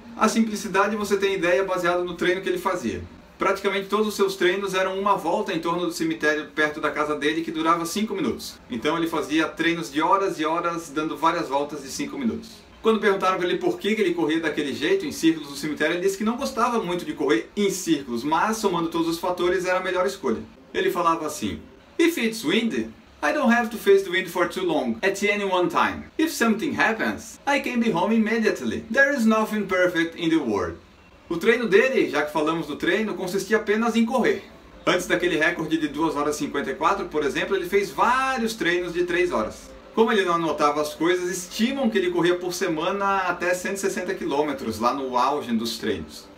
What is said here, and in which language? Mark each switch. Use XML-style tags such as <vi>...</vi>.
<pt>A simplicidade você tem ideia baseada no treino que ele fazia. Praticamente todos os seus treinos eram uma volta em torno do cemitério perto da casa dele que durava 5 minutos. Então ele fazia treinos de horas e horas dando várias voltas de 5 minutos. Quando perguntaram para ele por que ele corria daquele jeito, em círculos no cemitério, ele disse que não gostava muito de correr em círculos, mas somando todos os fatores era a melhor escolha. Ele falava assim:</pt> <en>"If it's windy, I don't have to face the wind for too long, at any one time. If something happens, I can be home immediately. There is nothing perfect in the world."</en> <pt>O treino dele, já que falamos do treino, consistia apenas em correr. Antes daquele recorde de 2 horas 54, por exemplo, ele fez vários treinos de 3 horas. Como ele não anotava as coisas, estimam que ele corria por semana até 160 km, lá no auge dos treinos.</pt>